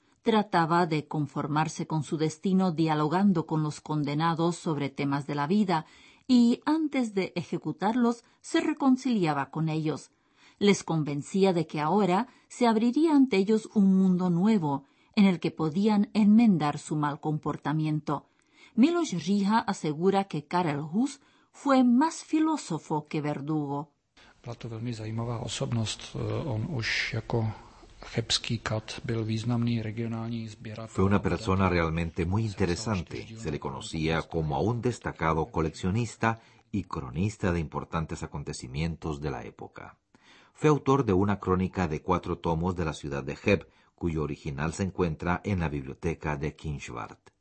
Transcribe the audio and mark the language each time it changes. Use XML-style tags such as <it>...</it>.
<es>Trataba de conformarse con su destino dialogando con los condenados sobre temas de la vida y, antes de ejecutarlos, se reconciliaba con ellos. Les convencía de que ahora se abriría ante ellos un mundo nuevo, en el que podían enmendar su mal comportamiento. Miloš Riha asegura que Karel Hus fue más filósofo que verdugo.</es> <cs>Byla to velmi zajímavá osobnost, on už jako chebský kat byl významný regionální sběratel.</cs> <es>Fue una persona realmente muy interesante. Se le conocía como a un destacado coleccionista y cronista de importantes acontecimientos de la época. Fue autor de una crónica de 4 tomos de la ciudad de Cheb, cuyo original se encuentra en la biblioteca de Kingsvart.</es>